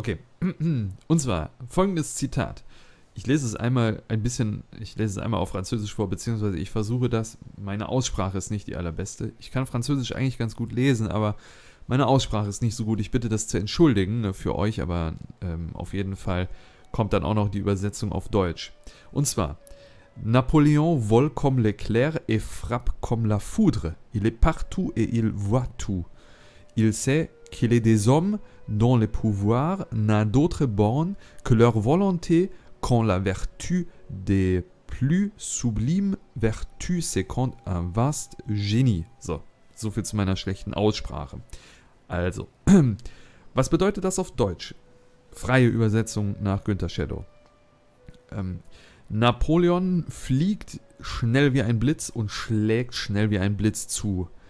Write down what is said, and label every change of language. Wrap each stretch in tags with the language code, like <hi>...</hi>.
<de>Okay, und zwar folgendes Zitat. Ich lese es einmal ein bisschen, ich lese es einmal auf Französisch vor, beziehungsweise ich versuche das. Meine Aussprache ist nicht die allerbeste. Ich kann Französisch eigentlich ganz gut lesen, aber meine Aussprache ist nicht so gut. Ich bitte das zu entschuldigen für euch, aber auf jeden Fall kommt dann auch noch die Übersetzung auf Deutsch. Und zwar,</de> <fr>Napoléon vole comme l'éclair et frappe comme la foudre. Il est partout et il voit tout. Il sait qu'il est des hommes dont le pouvoir n'a d'autre borne que leur volonté. Quand la vertu des plus sublimes vertus seconde un vaste génie.</fr> <de>So, soviel zu meiner schlechten Aussprache. Also, was bedeutet das auf Deutsch? Freie Übersetzung nach Günther Schadow. Napoleon fliegt schnell wie ein Blitz und schlägt schnell wie ein Blitz zu.</de>